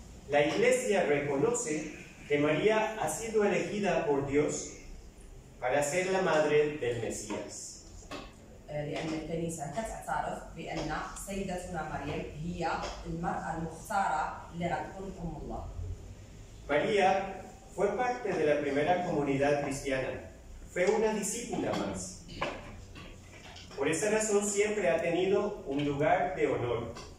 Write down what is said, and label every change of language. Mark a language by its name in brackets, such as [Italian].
[Spanish] La iglesia reconoce que María ha sido elegida por Dios para ser la madre del Mesías. [Arabic] لأن الكنيسة تعترف بأن سيدتنا مريم هي المرأة المختارة اللي غتكون أم الله. [Spanish] María fue parte de la primera comunidad cristiana. Fue una discípula más. Por esa razón siempre ha tenido un lugar de honor.